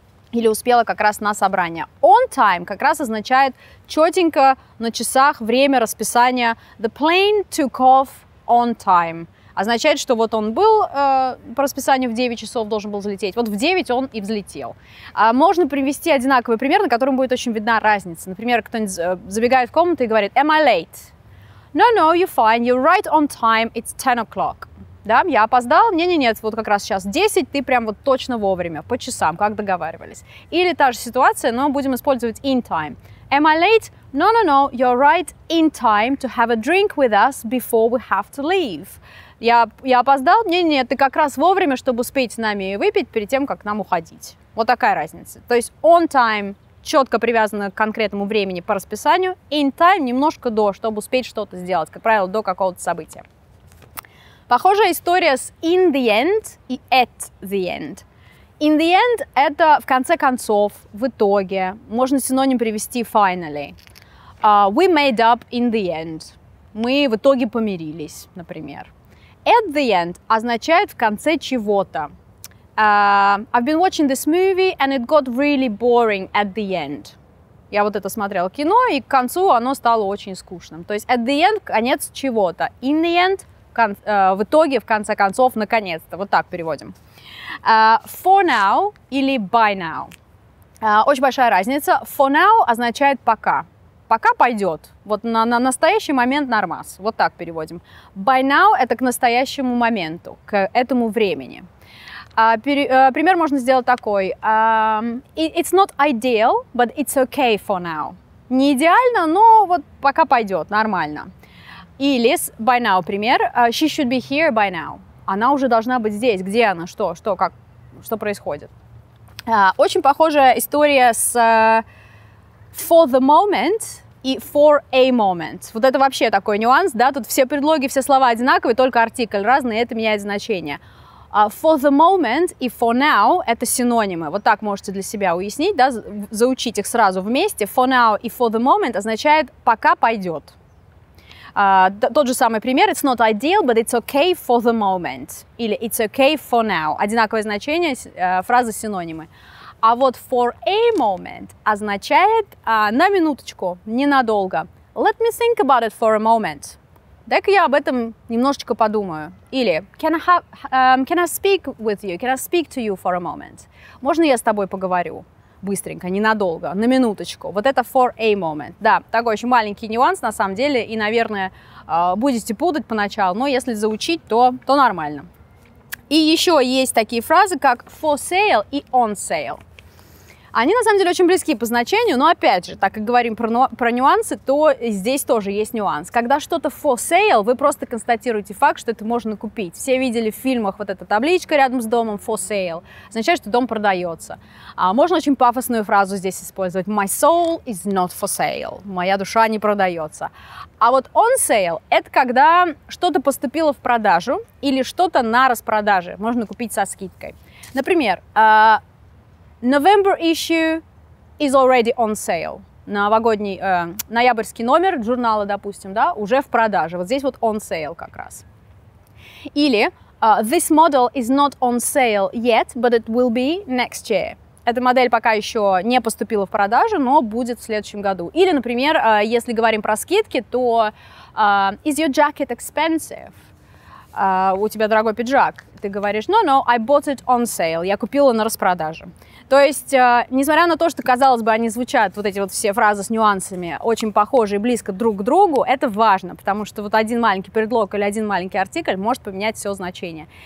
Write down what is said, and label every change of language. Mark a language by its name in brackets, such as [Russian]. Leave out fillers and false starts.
[Russian] Или успела как раз на собрание. On time как раз означает четенько на часах время расписания. [English] The plane took off on time. [Russian] Означает, что вот он был по расписанию в 9 часов должен был взлететь. Вот в 9 он и взлетел. Можно привести одинаковый пример, на котором будет очень видна разница. Например, кто-нибудь забегает в комнату и говорит, [English] am I late? No, no, you're fine, you're right on time, it's 10 o'clock. [Russian] Да, я опоздал? Нет, вот как раз сейчас 10, ты прям вот точно вовремя, по часам, как договаривались. Или та же ситуация, но будем использовать in time. [English] Am I late? No, you're right in time to have a drink with us before we have to leave. [Russian] Я опоздал? Нет, ты как раз вовремя, чтобы успеть с нами выпить перед тем, как нам уходить. Вот такая разница. То есть on time четко привязано к конкретному времени по расписанию, in time немножко до, чтобы успеть что-то сделать, как правило, до какого-то события. Похожая история с in the end и at the end. In the end – это в конце концов, в итоге. Можно синоним привести finally. [English] We made up in the end. [Russian] Мы в итоге помирились, например. At the end означает в конце чего-то. [English] I've been watching this movie and it got really boring at the end. [Russian] Я вот это смотрела кино, и к концу оно стало очень скучным. То есть at the end – конец чего-то. In the end – в итоге, в конце концов, наконец-то. Вот так переводим. For now или by now. Очень большая разница. For now означает пока. Пока пойдет. Вот на настоящий момент нормас. Вот так переводим. By now – это к настоящему моменту, к этому времени. Пример можно сделать такой. [English] It's not ideal, but it's okay for now. [Russian] Не идеально, но вот пока пойдет, нормально. Или, [English] by now, [Russian] пример, [English] she should be here by now. [Russian] Она уже должна быть здесь. Где она? Что? Как? Что происходит? Очень похожая история с for the moment и for a moment. Вот это вообще такой нюанс, да? Тут все предлоги, все слова одинаковые, только артикль разный, это меняет значение. For the moment и for now – это синонимы. Вот так можете для себя уяснить, да? Заучить их сразу вместе. For now и for the moment означает «пока пойдет». Тот же самый пример, [English] it's not ideal, but it's okay for the moment, [Russian] или [English] it's okay for now, [Russian] одинаковое значение, фразы синонимы. А вот for a moment означает на минуточку, ненадолго. [English] Let me think about it for a moment. [Russian] Дай-ка я об этом немножечко подумаю. Или [English] can I speak to you for a moment? [Russian] Можно я с тобой поговорю? Быстренько, ненадолго, на минуточку. Вот это for a moment. Да, такой очень маленький нюанс на самом деле. И, наверное, будете путать поначалу. Но если заучить, то нормально. И еще есть такие фразы, как for sale и on sale. Они на самом деле очень близки по значению. Но опять же, так как говорим про нюансы, то здесь тоже есть нюанс. Когда что-то for sale, вы просто констатируете факт, что это можно купить. Все видели в фильмах вот эта табличка рядом с домом for sale. Означает, что дом продается. А можно очень пафосную фразу здесь использовать. [English] My soul is not for sale. [Russian] Моя душа не продается. А вот on sale – это когда что-то поступило в продажу или что-то на распродаже. Можно купить со скидкой. Например, [English] November issue is already on sale. [Russian] Новогодний, ноябрьский номер журнала, допустим, да, уже в продаже. Вот здесь вот on sale как раз. Или [English] this model is not on sale yet, but it will be next year. [Russian] Эта модель пока еще не поступила в продажу, но будет в следующем году. Или, например, если говорим про скидки, то [English] is your jacket expensive? [Russian] у тебя дорогой пиджак. Ты говоришь, [English] no, I bought it on sale, [Russian] я купила на распродаже. То есть, несмотря на то, что, казалось бы, они звучат, вот эти вот все фразы с нюансами, очень похожи и близко друг к другу, это важно, потому что вот один маленький предлог или один маленький артикль может поменять все значение.